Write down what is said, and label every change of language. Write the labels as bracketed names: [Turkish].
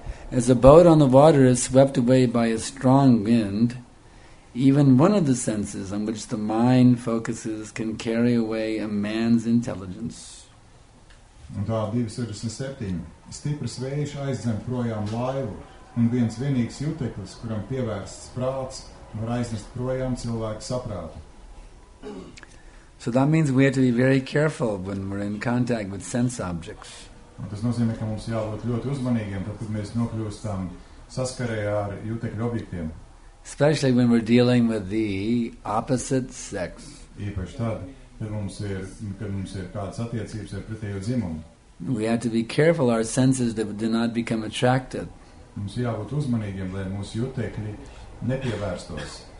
[English] As a boat on the water is swept away by a strong wind, even one of the senses on which the mind focuses can carry away a man's intelligence. [Latvian] Un tā 267. Stiprs vējš aizdzem projām laivu, un viens vienīgs juteklis, kuram pievērsts prāts, var aiznest projām cilvēku saprātu. [English] So that means we have to be very careful when we're in contact with sense objects. [Latvian] Un tas nozīmē, ka mums jābūt ļoti uzmanīgiem, tad, kad mēs nokļūstam saskarē ar jutekļu objektiem. [English] Especially when we're dealing with the opposite sex. [Latvian] Īpaši tad, kad mums ir kādas attiecības ar pretējo dzimumu. [English] We have to be careful our senses that do not become attracted. [Latvian] Mums jābūt uzmanīgiem, lai mūsu jutekļi nepievērstos.